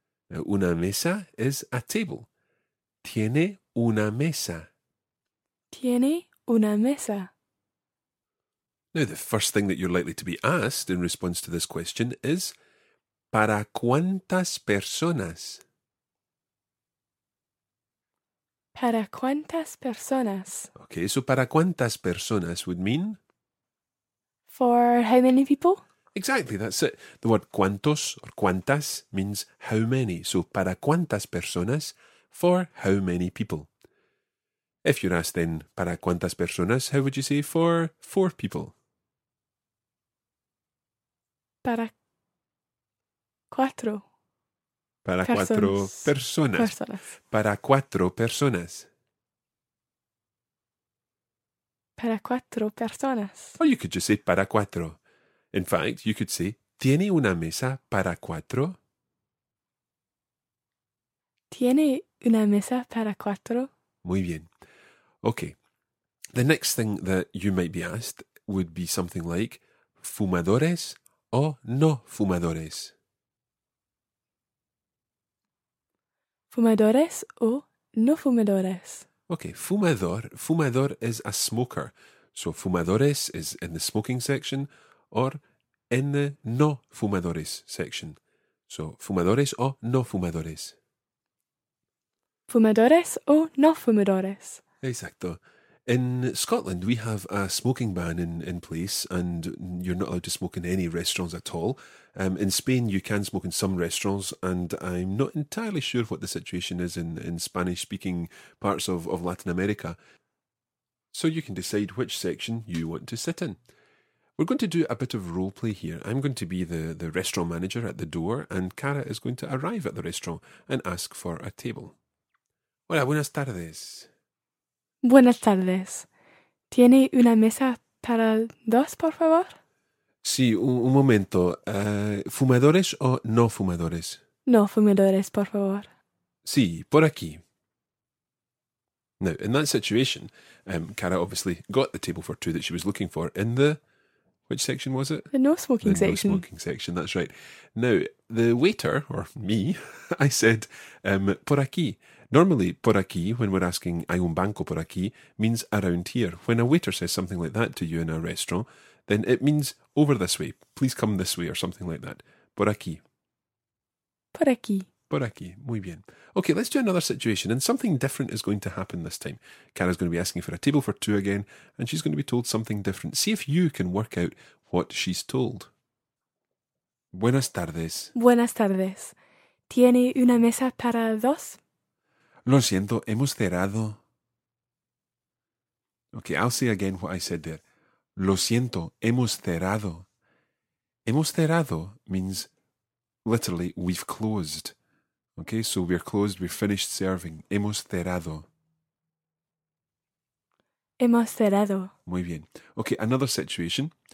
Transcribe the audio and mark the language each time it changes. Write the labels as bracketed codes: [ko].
[en] Now, [es] una mesa [en] is a table. [es] Tiene una mesa. Tiene una mesa. [en] Now, the first thing that you're likely to be asked in response to this question is, [es] ¿para cuántas personas? ¿Para cuántas personas? [en] Okay, so [es] ¿para cuántas personas [en] would mean? For how many people? Exactly, that's it. The word cuántos or cuántas means how many. So [es] ¿para cuántas personas? [en] For how many people? If you're asked then, [es] ¿para cuántas personas? [en] How would you say for four people? [es] Para cuatro. Para cuatro personas. Personas. Para cuatro personas. Para cuatro personas. [en] Or you could just say [es] para cuatro. [en] In fact, you could say, [es] ¿tiene una mesa para cuatro? ¿Tiene una mesa para cuatro? Muy bien. Okay. [en] The next thing that you might be asked would be something like, [es] ¿fumadores o no fumadores? ¿Fumadores o no fumadores? [en] Okay, fumador. Fumador is a smoker. So fumadores is in the smoking section or in the no fumadores section. So [es] fumadores o no fumadores? Fumadores o no fumadores? Exacto. [en] In Scotland, we have a smoking ban in place and you're not allowed to smoke in any restaurants at all. In Spain, you can smoke in some restaurants and I'm not entirely sure what the situation is in Spanish-speaking parts of Latin America. So you can decide which section you want to sit in. We're going to do a bit of role play here. I'm going to be the restaurant manager at the door and Cara is going to arrive at the restaurant and ask for a table. [es] Hola, buenas tardes. Buenas tardes. ¿Tiene una mesa para dos, por favor? Sí, un momento. ¿Fumadores o no fumadores? No fumadores, por favor. Sí, por aquí. [en] Now, in that situation, Cara obviously got the table for two that she was looking for in the... Which section was it? The no-smoking section. The no-smoking section, that's right. Now, the waiter, or me, I said, [es] por aquí. [en] Normally, [es] por aquí, [en] when we're asking, [es] hay un banco por aquí, [en] means around here. When a waiter says something like that to you in a restaurant, then it means over this way, please come this way, or something like that. [es] Por aquí. Por aquí. Por aquí. Muy bien. [en] Okay, let's do another situation, and something different is going to happen this time. Cara's going to be asking for a table for two again, and she's going to be told something different. See if you can work out what she's told. [es] Buenas tardes. Buenas tardes. ¿Tiene una mesa para dos? Lo siento, hemos cerrado. [en] Okay, I'll say again what I said there. [es] Lo siento, hemos cerrado. [en] Hemos cerrado means literally we've closed. Okay, so we're closed, we're finished serving. [es] Hemos cerrado. Hemos cerrado. Muy bien. [en] Okay, another situation.